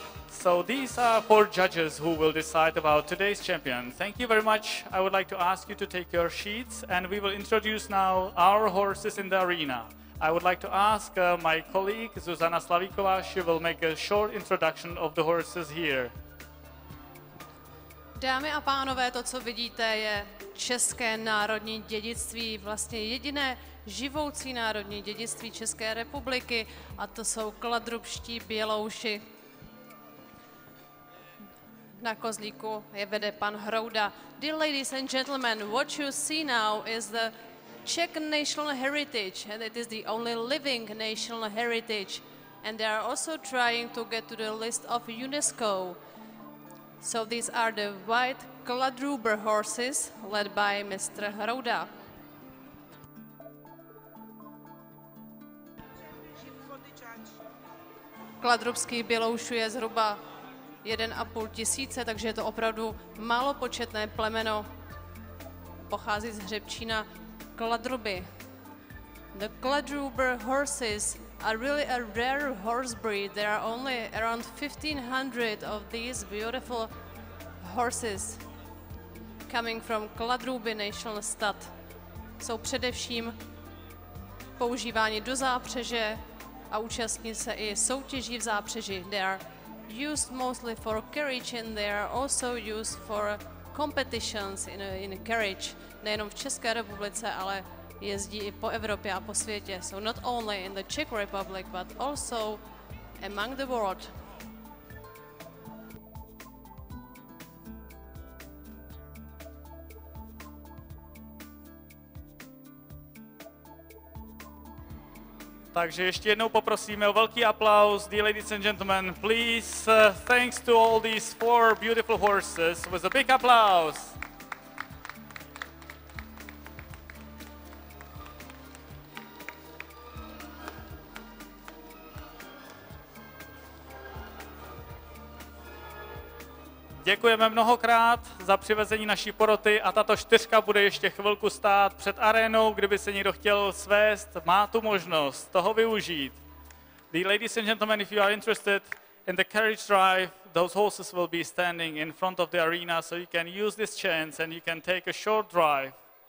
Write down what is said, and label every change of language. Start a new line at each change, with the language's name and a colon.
English: So these are four judges who will decide about today's champion. Thank you very much. I would like to ask you to take your sheets and we will introduce now our horses in the arena. I would like to ask my colleague Zuzana Slavíková, she will make a short introduction of the horses here.
Czech: Dámy a pánové, to, co vidíte, je české národní dědictví, vlastně jediné živoucí národní dědictví České republiky, a to jsou kladrubští bělouši. Na kozlíku je vede pan Hrouda.
English: Dear ladies and gentlemen, what you see now is the Czech national heritage, and it is the only living national heritage, and they are also trying to get to the list of UNESCO. So these are the white Kladruber horses led by Mr. Hrouda.
Czech: Kladrubský bělouši je zhruba 1,5 tisíce, takže je to opravdu malopočetné plemeno. Pochází z hřebčína Kladruby.
English: The Kladruber horses are really a rare horse breed. There are only around 1500 of these beautiful horses coming from Kladruby National Stud.
Czech: Jsou především používáni do zápřeže a účastní se i soutěží v zápřeži.
English: They are used mostly for carriage and they are also used for competitions in a carriage.
Czech: Nejenom v České republice, ale jezdí i po Evropě a po světě.
English: So not only in the Czech Republic, but also among the world.
Czech: Takže ještě jednou poprosíme o velký aplaus,
English: dear ladies and gentlemen, please, thanks to all these four beautiful horses, with a big applause.
Czech: Děkujeme mnohokrát za přivezení naší poroty a tato čtyřka bude ještě chvilku stát před arénou, kdyby se někdo chtěl svést, má tu možnost toho využít.
English: The ladies and gentlemen, if you are interested in the carriage drive, those horses will be standing in front of the arena, so you can use this chance and you can take a short drive.